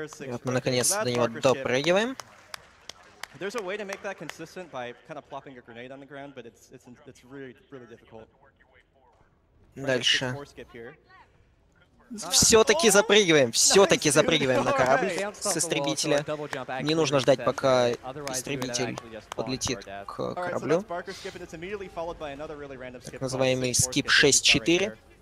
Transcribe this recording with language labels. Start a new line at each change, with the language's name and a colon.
Russian: Вот мы наконец-то до него допрыгиваем.
English: There's a way to make that consistent by kind of plopping a grenade on the ground, but it's really difficult.
Russian: Дальше. Все-таки запрыгиваем, на корабль с истребителя. Не нужно ждать, пока истребитель подлетит к кораблю. Так называемый скип 6-4.